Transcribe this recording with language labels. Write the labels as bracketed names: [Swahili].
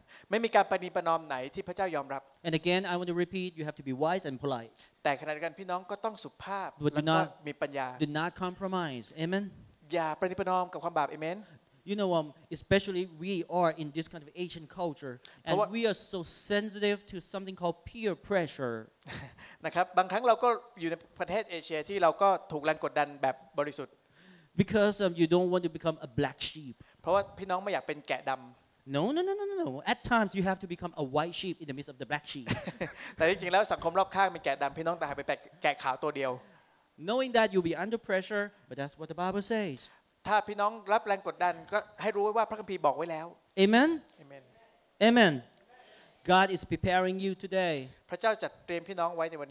[Thai] ไม่มีการประนีประนอมไหนที่พระเจ้ายอมรับ [English] And again, I want to repeat, you have to be wise and polite. [Thai] แต่ขณะเดียวกันพี่น้องก็ต้องสุภาพ และ ก็มีปัญญา [English] Do not compromise. Amen. [Thai] อย่าประนีประนอมกับความบาป Amen. [English] You know, especially we are in this kind of Asian culture, and we are so sensitive to something called peer pressure. [Thai] นะครับบางครั้งเราก็อยู่ในประเทศเอเชียที่เราก็ถูกแรงกดดันแบบบริสุทธิ์ [English] Because you don't want to become a black sheep. [Thai] เพราะว่าพี่น้องไม่อยากเป็นแกะดำ [English] No. At times you have to become a white sheep in the midst of the black sheep. [Thai] แต่จริงๆแล้วสังคมรอบข้างเป็นแกะดำพี่น้องแต่หากเป็นแกะขาวตัวเดียว [English] Knowing that you'll be under pressure, but that's what the Bible says. [Thai] ถ้าพี่น้องรับแรงกดดันก็ให้รู้ไว้ว่าพระคัมภีร์บอกไว้แล้ว [English] Amen. Amen. Amen. God is preparing you today. [Thai] พระเจ้าจัดเตรียมพี่น้องไว้ในวันนี